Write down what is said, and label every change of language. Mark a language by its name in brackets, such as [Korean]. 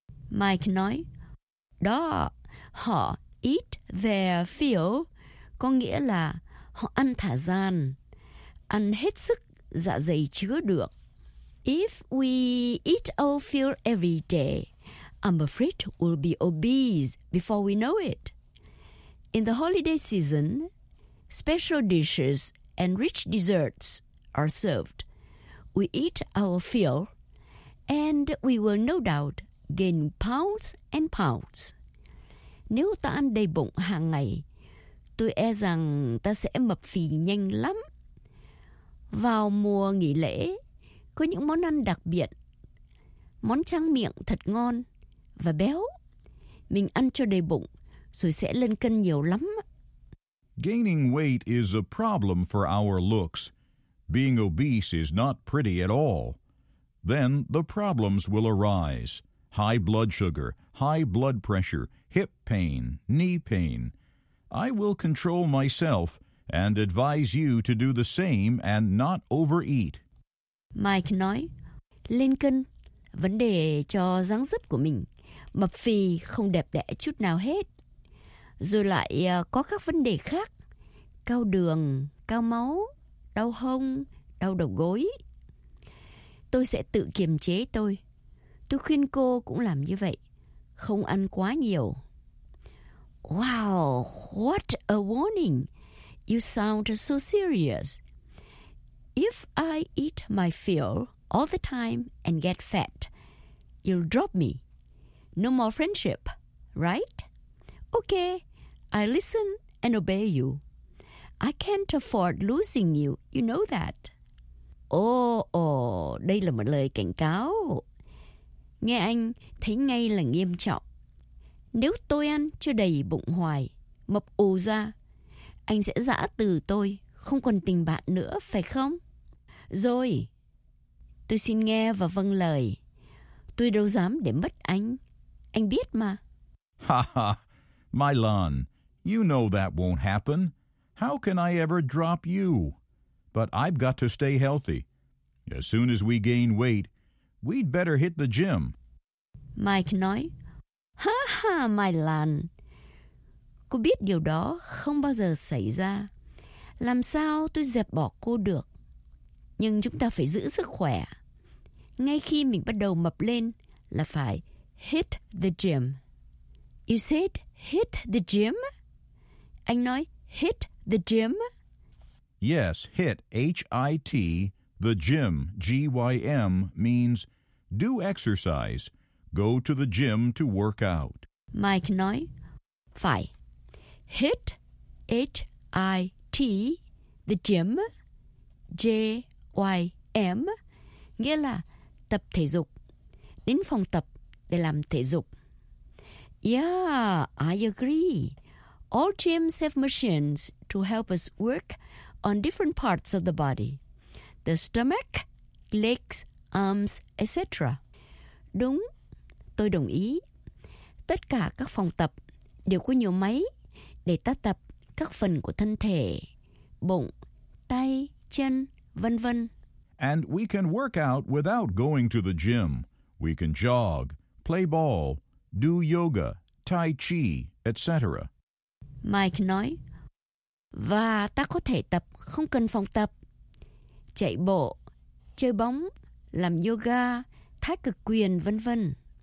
[Vietnamese] Mike nói, đó, họ [English] eat their fill [Vietnamese] có nghĩa là họ ăn thả gian, ăn hết sức dạ dày chứa được. [English] If we eat our fill every day, I'm afraid we'll be obese before we know it. In the holiday season, special dishes and rich desserts are served. We eat our fill, and we will no doubt gain pounds and pounds. [Vietnamese] Nếu ta ăn đầy bụng hàng ngày, tôi e rằng ta sẽ mập phì nhanh lắm. Vào mùa nghỉ lễ, có những món ăn đặc biệt, món tráng miệng thật ngon và béo. Mình ăn cho đầy bụng, rồi sẽ lên cân nhiều lắm. [English] Gaining weight is a problem for our looks. Being obese is not pretty at all. Then the problems will arise. High blood sugar, high blood pressure, hip pain, knee pain. I will control myself and advise you to do the same and not overeat. [Vietnamese] Mike nói, lên cân, vấn đề cho dáng dấp của mình, mập phì không đẹp đẽ chút nào hết. Rồi lại có các vấn đề khác, cao đường, cao máu, đau hông, đau đầu gối. Tôi sẽ tự kiềm chế tôi. Tôi khuyên cô cũng làm như vậy, không ăn quá nhiều. [English] Wow, what a warning. You sound so serious. If I eat my fill all the time and get fat, you'll drop me. No more friendship, right? Okay, I listen and obey you. I can't afford losing you, you know that. [Vietnamese] Oh, đây là một lời cảnh cáo. Nghe anh thấy ngay là nghiêm trọng. Nếu tôi ăn cho đầy bụng hoài, mập ù ra, anh sẽ giã từ tôi, không còn tình bạn nữa, phải không? Rồi, tôi xin nghe và vâng lời. Tôi đâu dám để mất anh. Anh biết mà. [English] Ha ha, Mylon, you know that won't happen. How can I ever drop you? But I've got to stay healthy. As soon as we gain weight, we'd better hit the gym. [Vietnamese] Mike nói, ha ha, Mylon, Cô biết điều đó không bao giờ xảy ra. Làm sao tôi dẹp bỏ cô được? Nhưng chúng ta phải giữ sức khỏe. Ngay khi mình bắt đầu mập lên là phải [English] hit the gym. You said hit the gym? [Vietnamese] Anh nói [English] hit the gym? Yes, hit, H-I-T, the gym, G-Y-M, means do exercise. Go to the gym to work out. [Vietnamese] Mike nói, phải. [English] Hit, H-I-T, the gym, J-Y-M, [Vietnamese] nghĩa là tập thể dục. Đến phòng tập để làm thể dục. [English] Yeah, I agree. All gyms have machines to help us work on different parts of the body. The stomach, legs, arms, etc. [Vietnamese] Đúng, tôi đồng ý. Tất cả các phòng tập đều có nhiều máy để ta tập các phần của thân thể, bụng, tay, chân, vân vân. [English] And we can work out without going to the gym. We can jog, play ball, do yoga, tai chi, etc. [Vietnamese] Mike nói, và ta có thể tập không cần phòng tập. Chạy bộ, chơi bóng, làm yoga, thái cực quyền, vân vân.